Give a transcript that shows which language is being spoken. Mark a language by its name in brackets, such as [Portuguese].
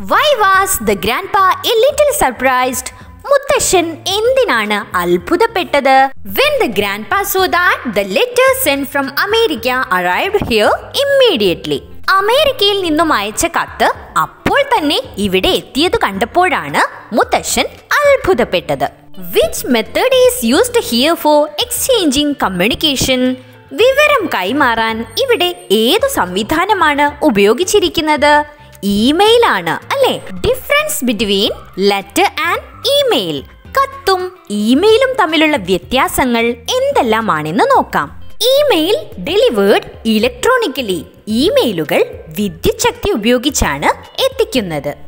[English] Why was the grandpa a little surprised? [Malayalam] മുത്തശ്ശൻ എന്തിനാണ് അത്ഭുതപ്പെട്ടത്? [English] When the grandpa saw that the letter sent from America arrived here immediately. [Malayalam] അമേരിക്കയിൽ നിന്നും അയച്ച കത്ത് അപ്പോൾ തന്നെ ഇവിടെ എത്തിയത് കണ്ടപ്പോഴാണ് മുത്തശ്ശൻ അത്ഭുതപ്പെട്ടത്. [English] Which method is used here for exchanging communication? [Malayalam] വിവരം കൈമാറാൻ ഇവിടെ ഏത് സംവിധാനമാണ് ഉപയോഗിച്ചിരിക്കുന്നത്? ഇമെയിൽ ആണ് അല്ലേ? [English] Difference between letter and email. [Malayalam] കത്തും ഇമെയിലും തമ്മിലുള്ള വ്യത്യാസങ്ങൾ എന്തെല്ലാമാണെന്ന് നോക്കാം. [English] Email delivered electronically. [Malayalam] ഇമെയിലുകൾ വിദ്യുച്ഛക്തി ഉപയോഗിച്ചാണ് എത്തിക്കുന്നത്.